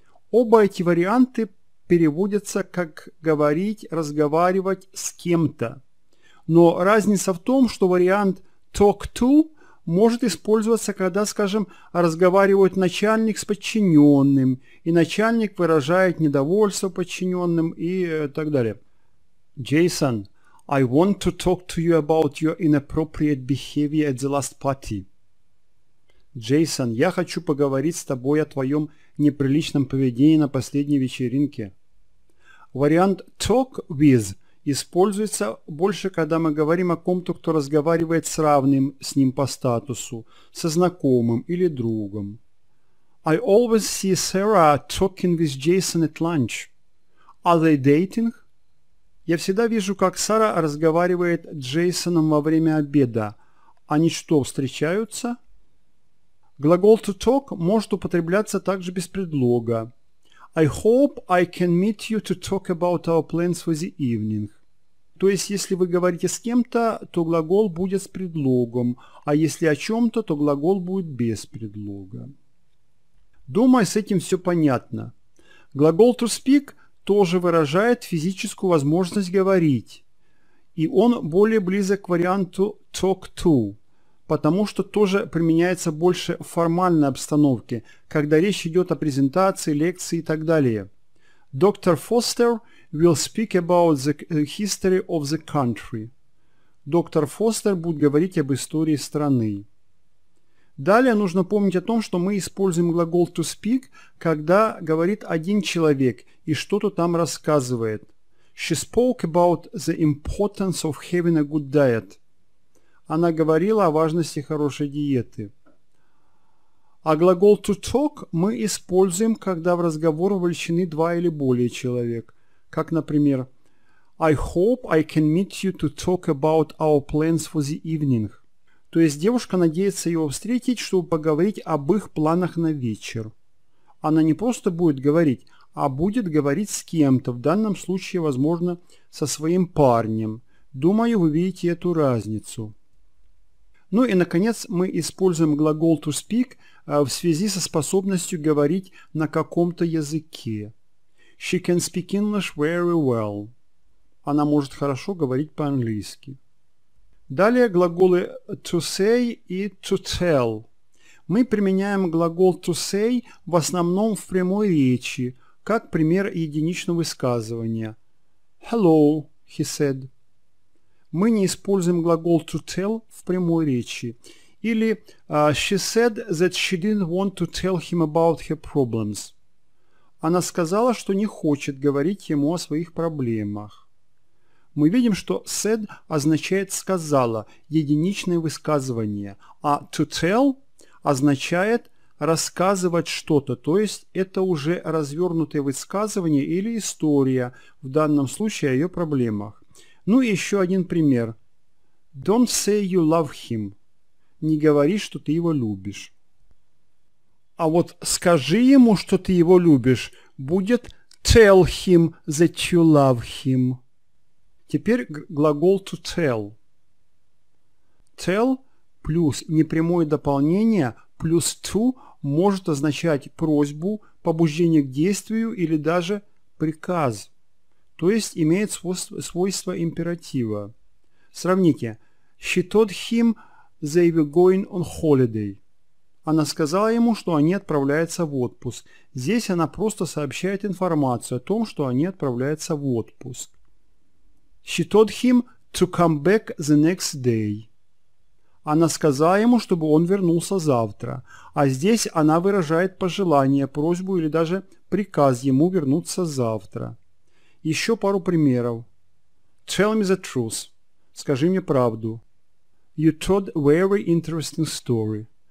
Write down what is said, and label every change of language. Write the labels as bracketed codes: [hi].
[ru] Оба эти варианты переводятся как говорить, разговаривать с кем-то. Но разница в том, что вариант talk to может использоваться, когда, скажем, разговаривает начальник с подчиненным, и начальник выражает недовольство подчиненным и так далее. [en] Jason, I want to talk to you about your inappropriate behavior at the last party. [ru] Jason, я хочу поговорить с тобой о твоем неприличном поведении на последней вечеринке. Вариант talk with используется больше, когда мы говорим о ком-то, кто разговаривает с равным с ним по статусу, со знакомым или другом. [en] I always see Sarah talking with Jason at lunch. Are they dating? [ru] Я всегда вижу, как Сара разговаривает с Джейсоном во время обеда. Они что, встречаются? Глагол to talk может употребляться также без предлога. [en] I hope I can meet you to talk about our plans for the evening. [ru] То есть, если вы говорите с кем-то, то глагол будет с предлогом, а если о чем-то, то глагол будет без предлога. Думаю, с этим все понятно. Глагол to speak тоже выражает физическую возможность говорить, и он более близок к варианту talk to, потому что тоже применяется больше в формальной обстановке, когда речь идет о презентации, лекции и так далее. Доктор Фостер [en] will speak about the history of the country. [ru] Доктор Фостер будет говорить об истории страны. Далее нужно помнить о том, что мы используем глагол to speak, когда говорит один человек и что-то там рассказывает. [en] She spoke about the importance of having a good diet. [ru] Она говорила о важности хорошей диеты. А глагол to talk мы используем, когда в разговор вовлечены два или более человек. Как, например, [en] I hope I can meet you to talk about our plans for the evening. [ru] То есть девушка надеется его встретить, чтобы поговорить об их планах на вечер. Она не просто будет говорить, а будет говорить с кем-то, в данном случае, возможно, со своим парнем. Думаю, вы видите эту разницу. Ну и, наконец, мы используем глагол to speak в связи со способностью говорить на каком-то языке. [en] She can speak English very well. [ru] Она может хорошо говорить по-английски. Далее глаголы to say и to tell. Мы применяем глагол to say в основном в прямой речи, как пример единичного высказывания. [en] Hello, he said. [ru] Мы не используем глагол to tell в прямой речи. [en] Или she said that she didn't want to tell him about her problems. [ru] Она сказала, что не хочет говорить ему о своих проблемах. Мы видим, что said означает сказала, единичное высказывание, а to tell означает рассказывать что-то, то есть это уже развернутое высказывание или история, в данном случае о ее проблемах. Ну и еще один пример. [en] Don't say you love him. [ru] Не говори, что ты его любишь. А вот скажи ему, что ты его любишь, будет [en] tell him that you love him. [ru] Теперь глагол to tell. Tell плюс непрямое дополнение плюс to может означать просьбу, побуждение к действию или даже приказ. То есть имеет свойство императива. Сравните. [en] She told him they were going on holiday. [ru] Она сказала ему, что они отправляются в отпуск. Здесь она просто сообщает информацию о том, что они отправляются в отпуск. [en] She told him to come back the next day. [ru] Она сказала ему, чтобы он вернулся завтра. А здесь она выражает пожелание, просьбу или даже приказ ему вернуться завтра. Еще пару примеров. [en] Tell me the truth. [ru] Скажи мне правду. [en] You told a very interesting story.